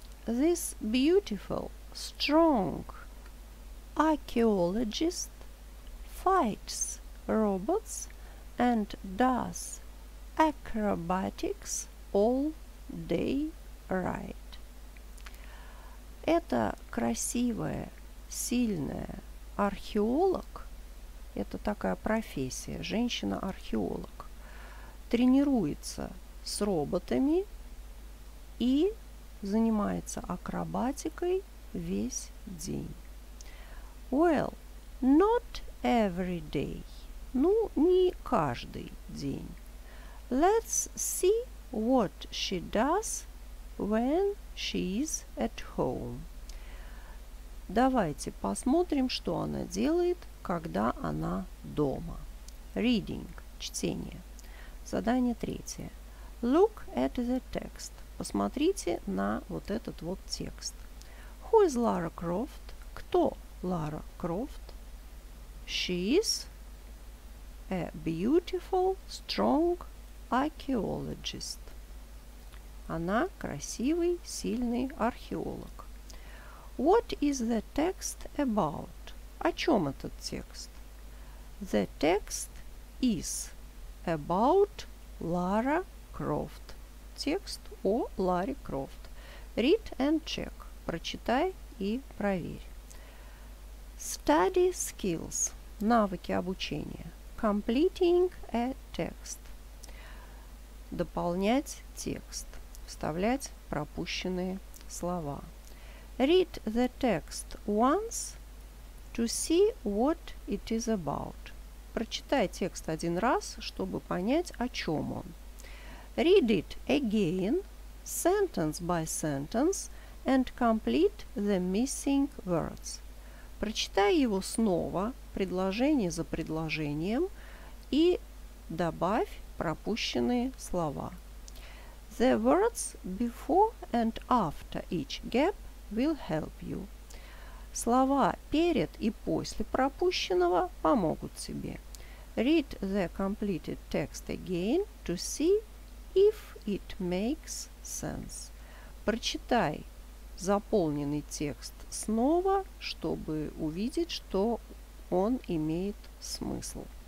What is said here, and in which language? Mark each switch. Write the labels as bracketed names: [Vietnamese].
[English] This beautiful, strong archaeologist fights robots and does acrobatics all day right. [Russian] Это красивая, сильная археолог, это такая профессия, женщина-археолог, тренируется с роботами и занимается акробатикой весь день. [English] Well, not every day. [Russian] Ну, не каждый день. [English] Let's see what she does when she is at home. [Russian] Давайте посмотрим, что она делает, когда она дома. [English] Reading. [Russian] Чтение. Задание третье. [English] Look at the text. [Russian] Посмотрите на вот этот вот текст. [English] Who is Lara Croft? [Russian] Кто Лара Крофт? [English] She is a beautiful, strong archaeologist. [Russian] Она красивый, сильный археолог. [English] What is the text about? [Russian] О чем этот текст? [English] The text is about Lara Croft. [Russian] Текст о Ларе Крофт. [English] Read and check. [Russian] Прочитай и проверь. [English] Study skills. [Russian] Навыки обучения. [English] Completing a text. [Russian] Дополнять текст. Вставлять пропущенные слова. [English] Read the text once to see what it is about. [Russian] Прочитай текст один раз, чтобы понять, о чем он. [English] Read it again, sentence by sentence, and complete the missing words. [Russian] Прочитай его снова, предложение за предложением, и добавь пропущенные слова. [English] The words before and after each gap will help you. [Russian] Слова перед и после пропущенного помогут тебе. [English] Read the completed text again to see if it makes sense. [Russian] Прочитай заполненный текст снова, чтобы увидеть, что он имеет смысл.